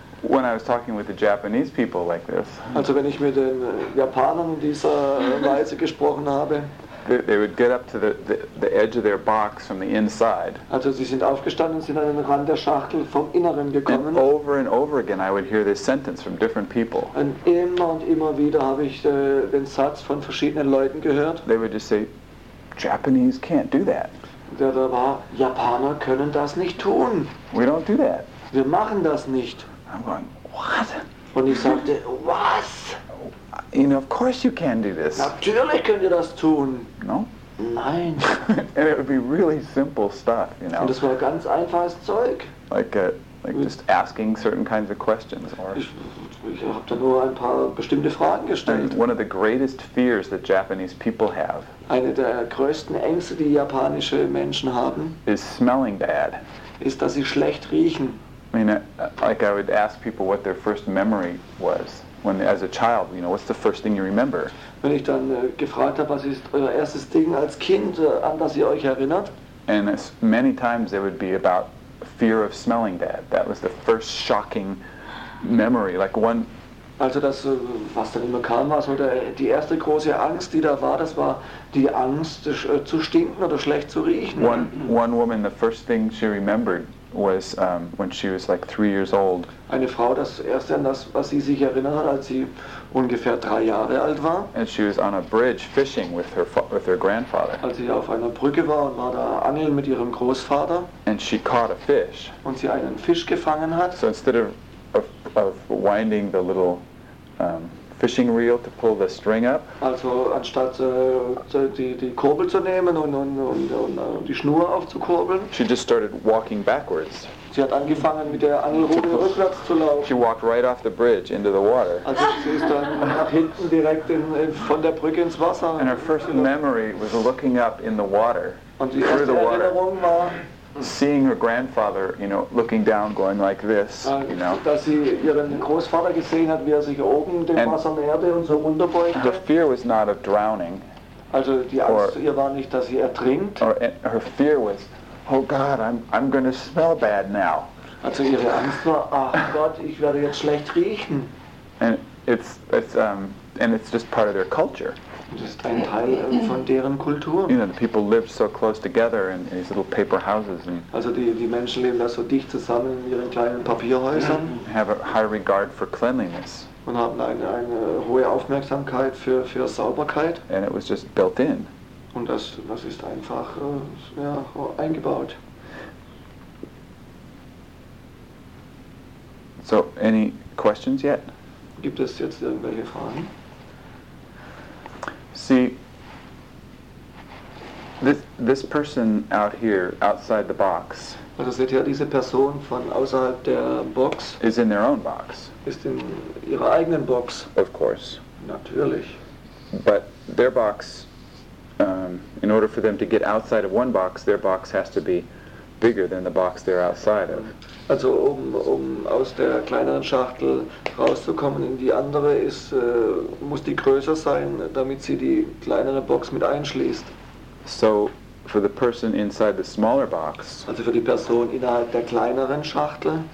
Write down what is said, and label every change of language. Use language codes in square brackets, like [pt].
[en] When I was talking with the Japanese people like this, [de] also wenn ich mit den Japanern dieser Weise gesprochen habe, [en] they would get up to the edge of their box from the inside. [de] Also sie sind aufgestanden, sind an den Rand der Schachtel vom Inneren gekommen. [en] And over again, I would hear this sentence from different people. [de] Und immer und immer wieder habe ich den Satz von verschiedenen Leuten gehört. [en] They would just say, Japanese can't do that. [de] Der da war, Japaner können das nicht tun. [en] We don't do that. [de] Wir machen das nicht. [en] I'm going, what? [de] Und ich sagte, was? [en] You know, of course you can do this. [de] Natürlich könnt ihr das tun. [en] No? [de] Nein. [en] And it would be really simple stuff, you know. [de] Und das war ganz einfaches Zeug. [en] Like just asking certain kinds of questions. Or [de] ich habe da nur ein paar bestimmte Fragen gestellt. [en] One of the greatest fears that Japanese people have. [de] Eine der größten Ängste, die japanische Menschen haben. [en] Is smelling bad. [de] Ist, dass sie schlecht riechen. [en] I mean, like I would ask people what their first memory was when, as a child, you know, what's the first thing you remember? [de] Wenn ich dann gefragt habe, was ist euer erstes Ding als Kind, an das ihr euch erinnert? [en] And as many times it would be about fear of smelling bad. That was the first shocking memory, like one. [de] Also das, was dann immer kam, war so die erste große Angst, die da war, das war die Angst zu stinken oder schlecht zu riechen. [en] One woman, the first thing she remembered was when she was like 3 years old. [de] Eine Frau, das erste an das, was sie sich erinnert hat, als sie ungefähr 3 Jahre alt war. [en] And she was on a bridge fishing with her grandfather. [de] Als sie auf einer Brücke war und war da angeln mit ihrem Großvater. [en] And she caught a fish. [de] Und sie einen Fisch gefangen hat. [en] So instead of winding the little fishing reel to pull the string up. [de] Also anstatt die Kurbel zu nehmen und die Schnur aufzukurbeln. [en] She just started walking backwards. [de] Sie hat angefangen mit der Angelrute rückwärts zu laufen. [en] She walked right off the bridge into the water. [de] Also sie ist dann nach hinten direkt von der Brücke ins Wasser. [en] And her first memory was looking up in the water. [de] Und die erste Erinnerung war [en] seeing her grandfather, you know, looking down, going like this, you know. [de] Dass sie ihren Großvater gesehen hat, wie er sich oben dem Wasser näherte und so runterbeugte. [en] Her fear was not of drowning. [de] Also die Angst zu ihr war nicht, dass sie ertrinkt. [en] Or her fear was, oh God, I'm going to smell bad now. [de] Also ihre Angst war, ach Gott, ich werde jetzt schlecht riechen. [en] And it's just part of their culture. [de] Das ist ein Teil von deren Kultur. [en] You know, the people lived so close together in these little paper houses. And [de] also die Menschen leben da so dicht zusammen in ihren kleinen Papierhäusern. [en] Have a high regard for cleanliness. [de] Und haben eine hohe Aufmerksamkeit für Sauberkeit. [en] And it was just built in. [de] Und das ist einfach eingebaut. [en] So, any questions yet? [de] Gibt es jetzt irgendwelche Fragen? [en] See, this person out here, outside the box, [de] also seht ihr, diese Person von außerhalb der Box [en] is in their own box. [de] Ist in ihrer eigenen Box. [en] Of course. [de] Natürlich. [en] But their box, in order for them to get outside of one box, their box has to be bigger than the box they're outside of. [de] Also um aus der kleineren Schachtel rauszukommen in die andere, muss die größer sein, damit sie die kleinere Box mit einschließt. [en] So for the person inside the smaller box, [de] also für die Person innerhalb der kleineren Schachtel,